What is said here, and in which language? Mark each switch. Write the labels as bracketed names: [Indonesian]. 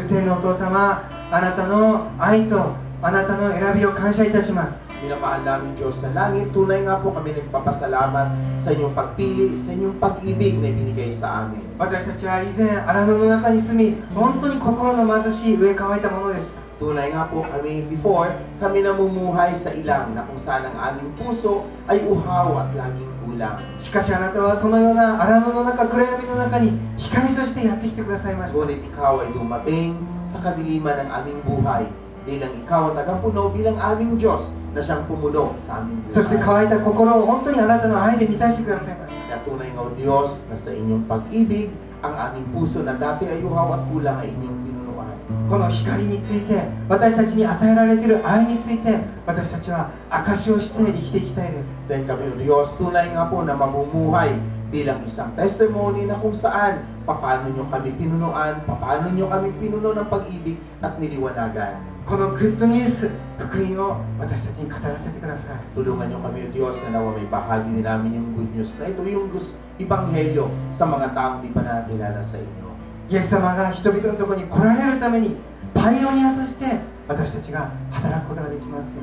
[Japanese] お父様、あなたの愛とあなたの選びを感謝いたします。 [Filipino] Minamahal namin Diyos sa langit, tunay nga po kami nagpapasalamat sa inyong pagpili, sa inyong pag-ibig na ibinigay sa amin. [Japanese] 私たちは以前荒野の中に住み、本当に心の貧しい飢え渇いたものでした。 [Filipino] Tunay nga po kami before, kami namumuhay sa ilang na kung saan ang aming puso ay uhaw at laging kulang. [Japanese] しかしあなたはそのような荒野の中、暗闇の中に光としてやってきてくださいました。 [Filipino] Ngunit ikaw ay dumating sa kadiliman ng aming buhay bilang ikaw ang tagapuno, bilang aming Diyos na siyang pumuno sa aming buhay. [Japanese] そして乾いた心を本当にあなたの愛で満たしてくださいました。 [Filipino] At tunay nga o Diyos na sa inyong pag-ibig ang aming puso na dati ay uhaw at kulang ay inyong pinuno. [Japanese] この光について、私たちに与えられている愛について、私たちは証しをして生きていきたいです。 [Filipino] Then kami o Diyos, tunay nga po na mamumuhay bilang isang testimony na kung saan paano niyo kami pinunuan, paano niyo kami pinuno ng pag-ibig at niliwanagan. [Japanese] このグッドニュース、福音を私たちに語らせてください。 [Filipino] Tulungan niyo kami o Diyos na nawa may bahagi din namin yung good news na ito, yung ibanghelyo sa mga taong di pa nakilala sa inyo. [Japanese] イエス様が人々のところに来られるためにパイオニアとして私たちが働くことができます。